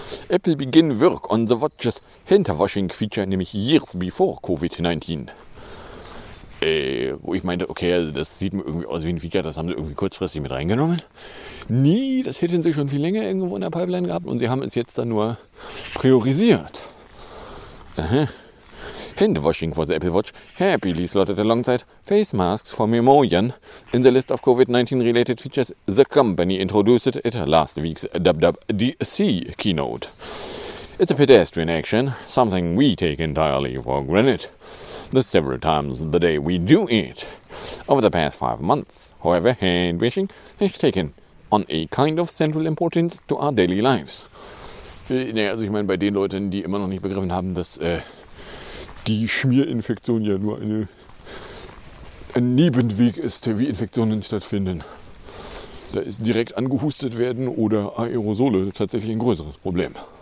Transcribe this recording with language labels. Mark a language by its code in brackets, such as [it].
[en] Apple begin work on the watches handwashing feature, nämlich years before COVID-19. [de] Wo ich meinte, okay, also das sieht mir irgendwie aus wie ein Feature, das haben sie irgendwie kurzfristig mit reingenommen. Nee, das hätten sie schon viel länger irgendwo in der Pipeline gehabt und sie haben es jetzt dann nur priorisiert. Aha. [en] Handwashing for the Apple Watch happily slotted alongside face masks for Memoian in the list of COVID-19-related features the company introduced at last week's WWDC keynote. It's a pedestrian action, something we take entirely for granted. The several times the day we do it. Over the past 5 months, however, handwashing has taken on a kind of central importance to our daily lives. [de] Naja, also ich meine, bei den Leuten, die immer noch nicht begriffen haben, dass die Schmierinfektion ja nur ein Nebenweg ist, wie Infektionen stattfinden. Da ist direkt angehustet werden oder Aerosole tatsächlich ein größeres Problem.